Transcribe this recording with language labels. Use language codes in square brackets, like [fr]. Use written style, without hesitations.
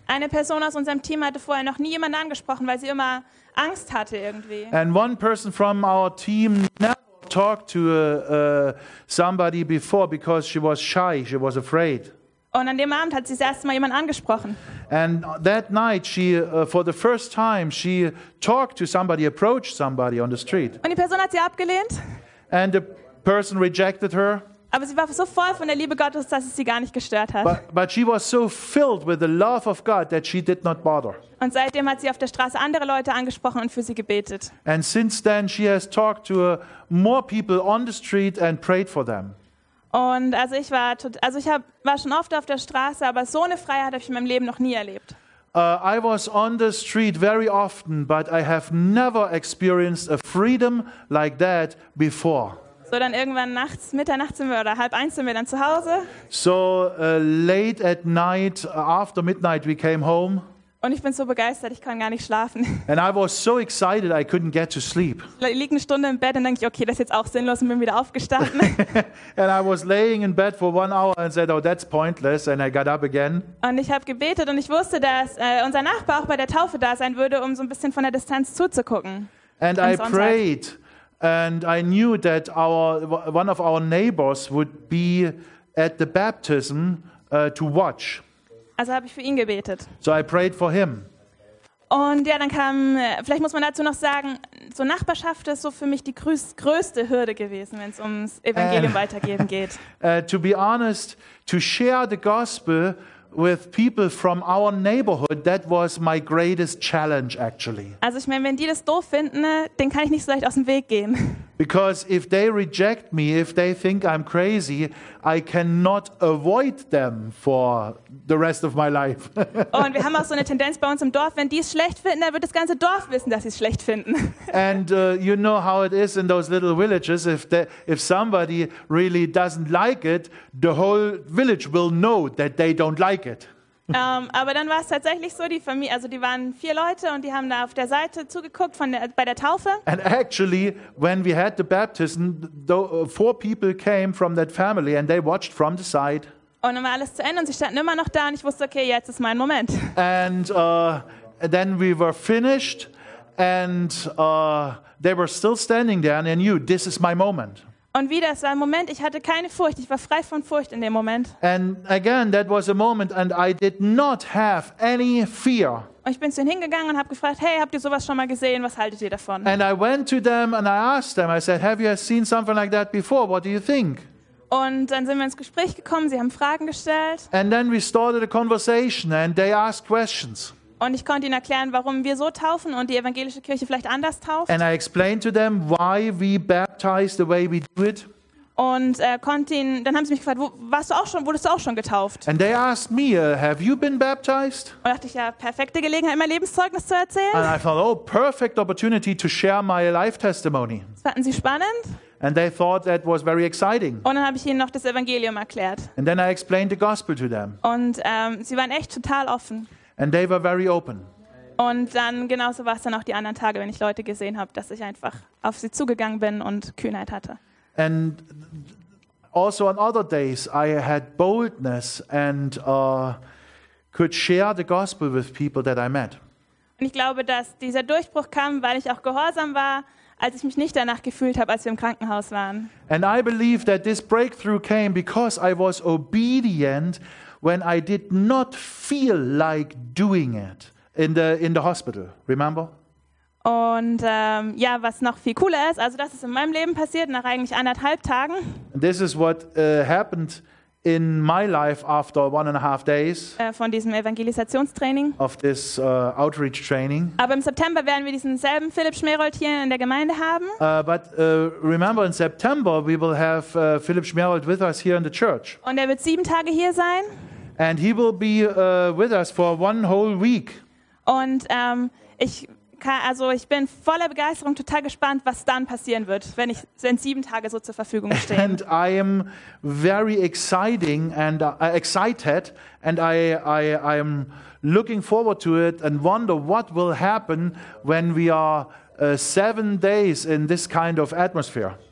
[de] Eine Person aus unserem Team hatte vorher noch nie jemanden angesprochen, weil sie immer Angst hatte irgendwie. [en] And one person from our team never talked to somebody before because she was shy, she was afraid. [de] Und an dem Abend hat sie das erste Mal jemanden angesprochen. [en] And that night she for the first time she talked to somebody, approached somebody on the street. [de] Und die Person hat sie abgelehnt. [en] And the person rejected her. [de] Aber sie war so voll von der Liebe Gottes, dass es sie gar nicht gestört hat. [en] But she was so filled with the love of God that she did not bother. [de] Und seitdem hat sie auf der Straße andere Leute angesprochen und für sie gebetet. [en] And since then she has talked to more people on the street and prayed for them. [de] Und also ich war schon oft auf der Straße, aber so eine Freiheit habe ich in meinem Leben noch nie erlebt. [en] I was on the street very often, but I have never experienced a freedom like that before. [de] So dann irgendwann nachts, Mitternacht sind wir oder 12:30 sind wir dann zu Hause. [en] So late at night, after midnight we came home. [de] Und ich bin so begeistert, ich kann gar nicht schlafen. [en] And I was so excited, I couldn't get to sleep. [de] Ich liege eine Stunde im Bett und denke, okay, das ist jetzt auch sinnlos und bin wieder aufgestanden. [en] And I was laying in bed for 1 hour and said, oh, that's pointless, and I got up again. [de] Und ich habe gebetet und ich wusste, dass unser Nachbar auch bei der Taufe da sein würde, um so ein bisschen von der Distanz zuzugucken. [en] And I prayed and I knew that one of our neighbors would be at the baptism to watch. [de] Also habe ich für ihn gebetet. [en] So I prayed for him. [de] Und ja, dann kam, vielleicht muss man dazu noch sagen, so Nachbarschaft ist so für mich die größte Hürde gewesen, wenn es ums Evangelium weitergeben geht. [en] To be honest, to share the gospel with people from our neighborhood, that was my greatest challenge actually. [de] Also ich meine, wenn die das doof finden, den kann ich nicht so leicht aus dem Weg gehen. [en] Because if they reject me, if they think I'm crazy, I cannot avoid them for the rest of my life. [de] Und wir haben auch so eine Tendenz bei uns im Dorf, wenn die es schlecht finden, dann wird das ganze Dorf wissen, dass sie es schlecht finden. [en] And you know how it is in those little villages, if somebody really doesn't like it, the whole village will know that they don't like it. [de] Aber dann war es tatsächlich so, die Familie, also die waren vier Leute und die haben da auf der Seite zugeguckt von der, bei der Taufe. [en] And actually, when we had the baptism, four people came from that family and they watched from the side. [de] Und dann war alles zu Ende und sie standen immer noch da und ich wusste, okay, jetzt ist mein Moment. [en] And then we were finished and they were still standing there and they knew, this is my moment. [de] Und wieder, es war ein Moment, ich hatte keine Furcht, ich war frei von Furcht in dem Moment. [en] And again, that was a moment and I did not have any fear. [de] Und ich bin zu ihnen hingegangen und habe gefragt, hey, habt ihr sowas schon mal gesehen, was haltet ihr davon? [en] And I went to them and I asked them, I said, have you seen something like that before, what do you think? [de] Und dann sind wir ins Gespräch gekommen, sie haben Fragen gestellt. [en] And then we started a conversation and they asked questions. [de] Und ich konnte ihnen erklären, warum wir so taufen und die evangelische Kirche vielleicht anders tauft. [en] And I explained to them why we baptize the way we do it. [de] Und dann haben sie mich gefragt, wurdest du auch schon getauft? [en] And they asked me, have you been baptized? [de] Und dachte ich, ja, perfekte Gelegenheit, mein Lebenszeugnis zu erzählen. [en] And I thought, oh, perfect opportunity to share my life testimony. [de] Das fanden sie spannend. [en] And they thought that was very exciting. [de] Und dann habe ich ihnen noch das Evangelium erklärt. [en] And then I explained the gospel to them. [de] Und sie waren echt total offen. [en] And they were very open. [de] Und dann genauso war es dann auch die anderen Tage, wenn ich Leute gesehen habe, dass ich einfach auf sie zugegangen bin und Kühnheit hatte. [en] And also on other days I had boldness and could share the gospel with people that I met. [de] Und ich glaube, dass dieser Durchbruch kam, weil ich auch gehorsam war, als ich mich nicht danach gefühlt habe, als wir im Krankenhaus waren. [en] And I believe that this breakthrough came because I was obedient when I did not feel like doing it in the hospital, remember? [de] Und ja, was noch viel cooler ist, also das ist in meinem Leben passiert, nach eigentlich anderthalb Tagen. [en] This is what happened in my life after 1.5 days. [de] Von diesem Evangelisationstraining. [en] Of this outreach training. [de] Aber im September werden wir diesen selben Philipp Schmerold hier in der Gemeinde haben. [en] But remember, in September we will have Philipp Schmerold with us here in the church. [de] Und er wird 7 Tage hier sein. [en] And he will be with us for one whole week. [de] Und ich bin voller Begeisterung, total gespannt, was dann passieren wird, wenn ich in 7 Tage so zur Verfügung stehe. [en] And I am very exciting and excited and I am looking forward to it and wonder what will happen when we are 7 days in this kind of atmosphere.